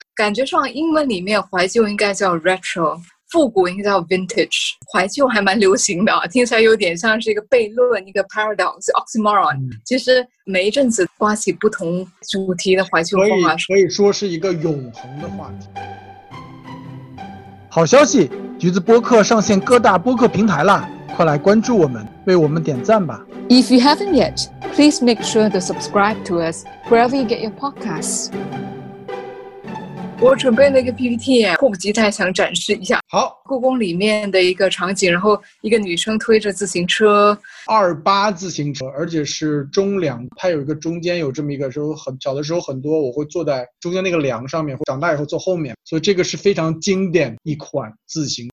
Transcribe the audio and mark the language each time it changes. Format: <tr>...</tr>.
<zh>感觉上英文里面怀旧应该叫 retro，复古应该叫 vintage，怀旧还蛮流行的，听起来有点像是一个悖论，一个 paradox oxymoron。其实每一阵子刮起不同主题的怀旧风啊。可以说是一个永恒的话题。好消息，橘子播客上线各大播客平台啦，快来关注我们，为我们点赞吧。</zh> <en>If you haven't yet, please make sure to subscribe to us wherever you get your podcasts.</en> <zh>我准备了一个 PPT，迫不及待想展示一下好。故宫里面的一个场景，然后一个女生推着自行车。 28自行车，而且是中梁，它有一个中间有这么一个，时候很小的时候很多，我会坐在中间那个梁上面，长大以后坐后面，所以这个是非常经典一款自行。</zh>